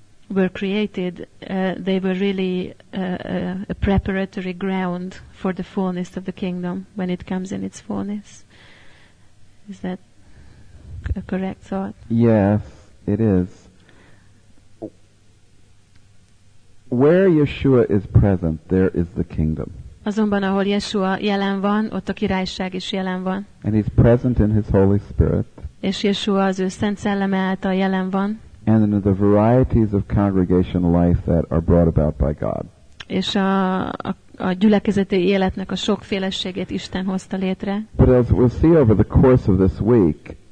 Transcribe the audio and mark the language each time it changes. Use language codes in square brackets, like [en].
[en] were created, they were really a preparatory ground for the fullness of the kingdom when it comes in its fullness. Is that a correct thought? Yes, it is. Where Yeshua is present, there is the kingdom. [hu] Azonban, ahol Yeshua jelen van, ott a királyság is jelen van. [en] And he's present in his Holy Spirit. [hu] És Yeshua az ő Szent Szelleme által jelen van. [en] And in the varieties of congregational life that are brought about by God. [hu] És a gyülekezeti életnek a sokféleségét Isten hozta létre. [en] But as we'll see over the course of this week,